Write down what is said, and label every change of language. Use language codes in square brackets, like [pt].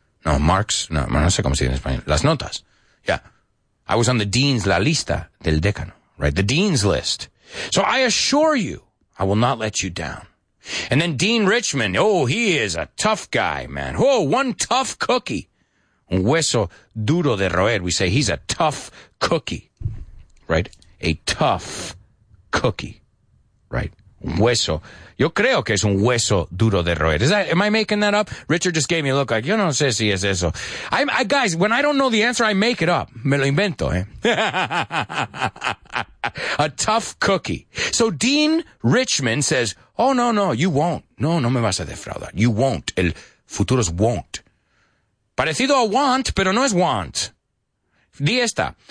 [es] No, marks, no, no sé cómo se dice en español. Las notas. Yeah. [en] I was on the dean's [es] la lista del decano, [en] right? The dean's list. So I assure you, I will not let you down. And then Dean Richmond, oh, he is a tough guy, man. Oh, one tough cookie. [es] Un hueso duro de roer. [en] We say he's a tough cookie, right? A tough cookie, right? Hueso. [es] Yo creo que es un hueso duro de roer. [en] Is that, am I making that up? Richard just gave me a look like, [es] yo no sé si es eso. [en] Guys, when I don't know the answer, I make it up. [es] Me lo invento, eh? [en] A tough cookie. So Dean Richmond says, oh, no, no, you won't. [es] No, no me vas a defraudar. [en] You won't. [es] El futuro es won't. Parecido a want, pero no es want. Di esta.